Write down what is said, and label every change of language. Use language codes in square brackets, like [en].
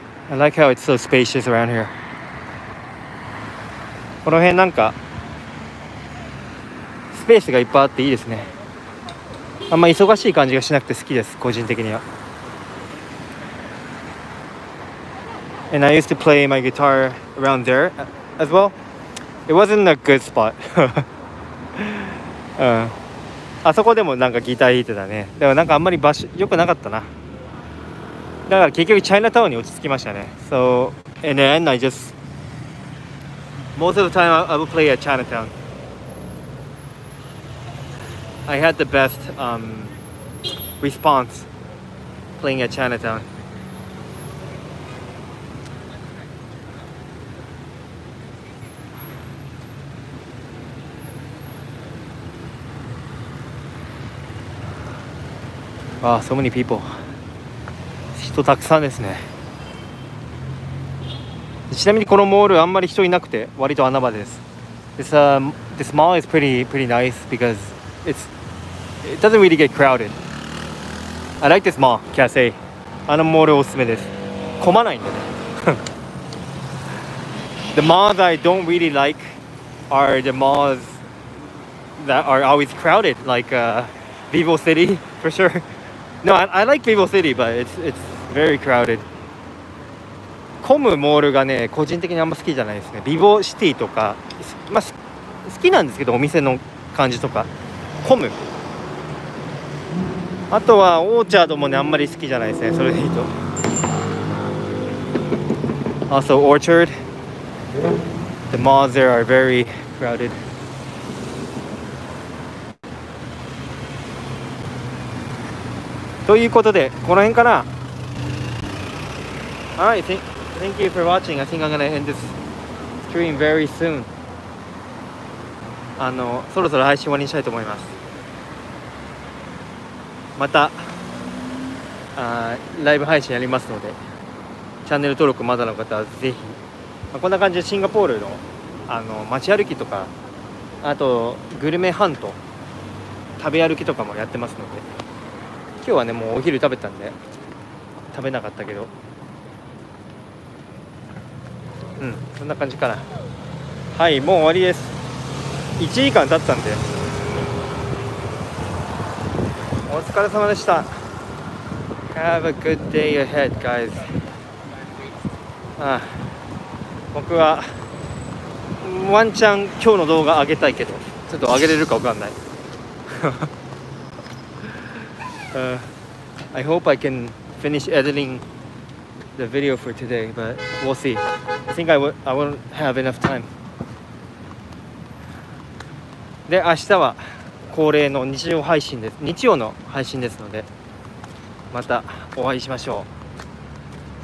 [en] I like how it's so spacious around here. [ja] この辺なんかスペースがいっぱいあっていいですね。あんま忙しい感じがしなくて好きです、個人的には。 [en] And I used to play my guitar around there as well. It wasn't a good spot. [ja] あそこでもなんかギター弾いてたね。でもなんかあんまり場所良くなかったな。だから結局チャイナタウンに落ち着きましたね。 [en] So in the end, I just most of the time I would play at Chinatown. I had the best response playing at Chinatown. Wow, so many people. [ja] 人たくさんですね。ちなみにこのモールあんまり人いなくて割と穴場です。 [en] This mall is pretty nice because it doesn't really get crowded. I like this mall, Cafe. [ja] あのモールおすすめです。混まないんでね。 [en] The malls I don't really like are the malls that are always crowded, like Vivo City for sure. No, I like Vivo City, but it's very crowded. [ja] コムモールがね、個人的にあんま好きじゃないですね。Vivo City とか、まあ、好きなんですけど、お店の感じとか。コム。あとは、オーチャードもね、あんまり好きじゃないですね。それでいいと。 [en] Also, Orchard. The malls there are very crowded. [ja] ということで、この辺かな? [en] Alright, thank you for watching. I think I'm gonna end this stream very soon. [ja] そろそろ配信終わりにしたいと思います。また、ライブ配信やりますので、チャンネル登録まだの方はぜひ、まあ、こんな感じでシンガポールの、街歩きとか、あとグルメハント、食べ歩きとかもやってますので、今日はね、もうお昼食べたんで食べなかったけど、うん、そんな感じかな。はい、もう終わりです。 1時間経ったんで、お疲れ様でした。 [en] Have a good day ahead, guys. [ja] 僕はワンチャン今日の動画上げたいけど、ちょっと上げれるか分かんない。 [en] I hope I can finish editing the video for today, but we'll see. I think I won't have enough time. [ja] で明日は恒例の日曜配信です、日曜の配信ですので、またお会いしましょう。